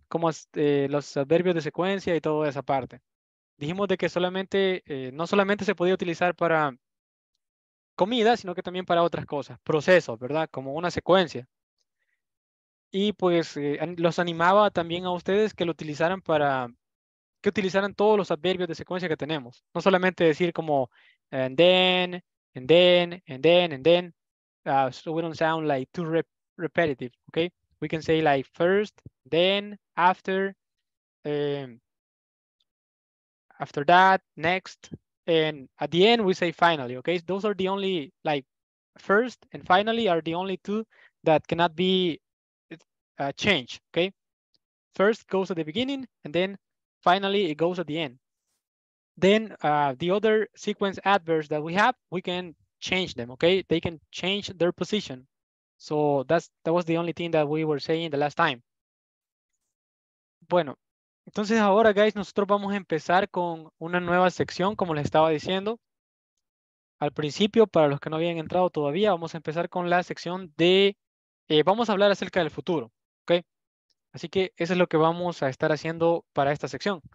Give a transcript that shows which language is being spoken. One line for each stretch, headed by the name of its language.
Spanish: Como los adverbios de secuencia y toda esa parte. Dijimos de que solamente, no solamente se podía utilizar para comida, sino que también para otras cosas, procesos, ¿verdad? Como una secuencia. Y pues los animaba también a ustedes que lo utilizaran para que utilizaran todos los adverbios de secuencia que tenemos. No solamente decir como
English: and then, and then, and then, and then. So we don't sound like too repetitive, okay? We can say like first, then, after, After that, next, and at the end we say finally, okay? Those are the only, like, first and finally are the only two that cannot be changed, okay? First goes at the beginning, and then finally it goes at the end. Then the other sequence adverbs that we have, we can change them, okay? They can change their position. So that was the only thing that we were saying the last time.
Spanish: Bueno, entonces ahora, guys, nosotros vamos a empezar con una nueva sección, como les estaba diciendo. Al principio, para los que no habían entrado todavía, vamos a empezar con la sección de... vamos a hablar acerca del futuro, ¿ok? Así que eso es lo que vamos a estar haciendo para esta sección.